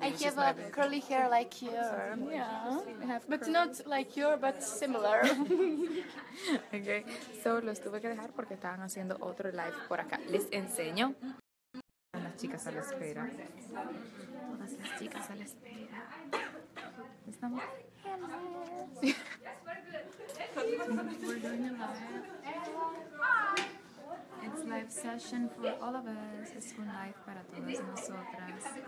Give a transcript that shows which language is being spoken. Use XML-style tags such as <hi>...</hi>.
<en>I have a curly hair like your. Yeah. But not like your, but similar. Okay.</en> <es>So los tuve que dejar porque estaban haciendo otro live por acá. Les enseño. Chicas a la espera. Todas las chicas a la espera. ¿Estamos?</es> <en>It's live session for all of us.</en> <es>Es un live para todas nosotras.</es>